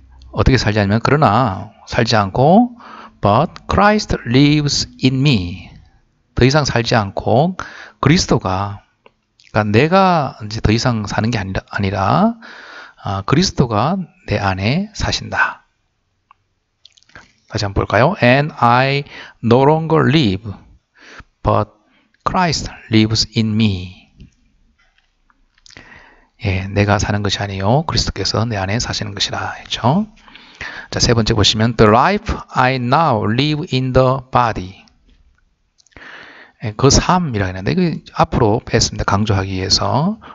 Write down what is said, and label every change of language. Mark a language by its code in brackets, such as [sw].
[ko] 어떻게 살지 않으면 그러나 살지 않고, [en] but Christ lives in me. [ko] 더 이상 살지 않고 그리스도가, 그러니까 내가 이제 더 이상 사는 게 아니라, 그리스도가 내 안에 사신다. 다시 한번 볼까요? [en] And I no longer live, but Christ lives in me. [ko] 예, 내가 사는 것이 아니요 그리스도께서 내 안에 사시는 것이라 했죠. 자, 세 번째 보시면 [en] The life I now live in the body. [ko] 예, 그 삶이라 했는데 그 앞으로 뺐습니다. 강조하기 위해서.